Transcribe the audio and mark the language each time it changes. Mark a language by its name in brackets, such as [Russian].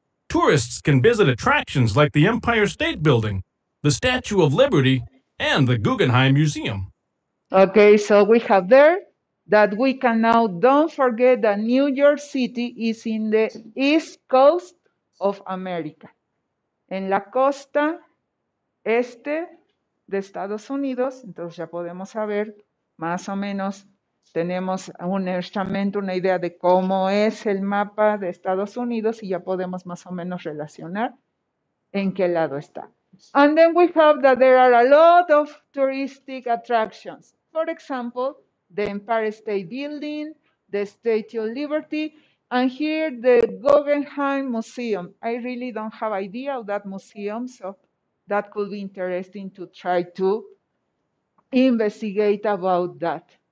[English] Tourists can visit attractions like the Empire State Building, the Statue of Liberty, and the Guggenheim Museum. Okay, so we have there that we can now don't forget that New York City is in the east coast of America. [Spanish] En la costa este de Estados Unidos, entonces ya podemos saber, más o menos tenemos un estimado, una idea de cómo es el mapa de Estados Unidos y ya podemos más o menos relacionar en qué lado está. [English] And then we have that there are a lot of touristic attractions. For example, the Empire State Building, the Statue of Liberty, and here the Guggenheim Museum. I really don't have idea of that museum, so that could be interesting to try to investigate about that.